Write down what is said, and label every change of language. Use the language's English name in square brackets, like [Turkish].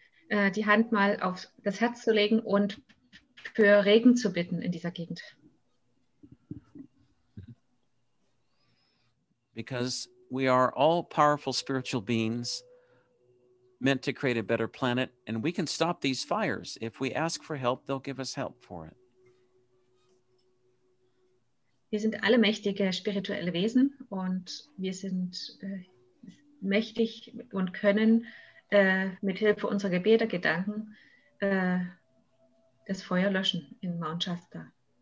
[German] Die Hand mal auf das Herz zu legen und für Regen zu bitten in dieser Gegend. [English] Because we are all powerful spiritual beings meant to create a better planet, and we can stop these fires. If we ask for help, they'll give us help for it. [German] Wir sind alle mächtige spirituelle Wesen und wir sind mächtig und können mit Hilfe unserer Gebete, Gedanken, das Feuer löschen in Mount Shasta.